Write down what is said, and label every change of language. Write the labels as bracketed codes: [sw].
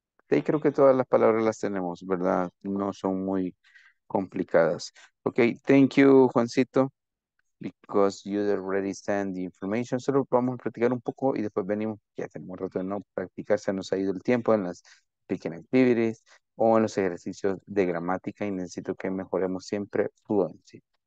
[es] Sí, creo que todas las palabras las tenemos, ¿verdad? No son muy complicadas. [en] Ok, thank you, Juancito, because you already sent the information. [es] Solo vamos a practicar un poco y después venimos. Ya tenemos rato de no practicar, se nos ha ido el tiempo en las speaking activities o en los ejercicios de gramática y necesito que mejoremos siempre fluency.